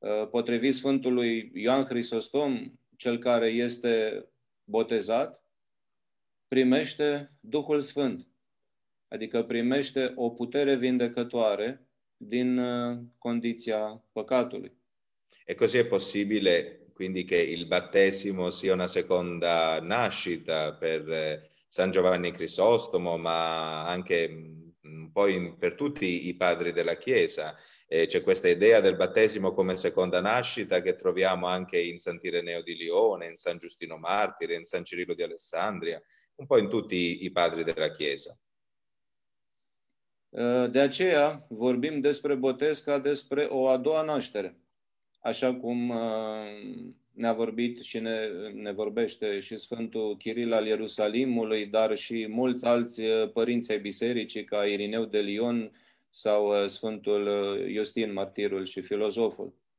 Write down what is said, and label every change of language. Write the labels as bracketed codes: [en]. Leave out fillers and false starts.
[ro] Potrivit Sfântului Ioan Hrisostom, cel care este botezat, primește Duhul Sfânt, adică primește o putere vindecătoare din condiția păcatului. [it] E così è possibile quindi che il battesimo sia una seconda nascita per San Giovanni Crisostomo, ma anche poi per tutti i padri della Chiesa. C'è questa idea del battesimo come seconda nascita che troviamo anche in Sant'Ireneo di Lione, in San Giustino Martire, in San Cirillo di Alessandria, un po' in tutti i padri della Chiesa. [ro] De aceea vorbim despre botez ca despre o a doua naștere, așa cum ne-a vorbit și ne vorbește și Sfântul Chiril al Ierusalimului, dar și mulți alți părinți ai bisericii ca Irineu de Lyon sau Sfântul Iustin, martirul și filozoful.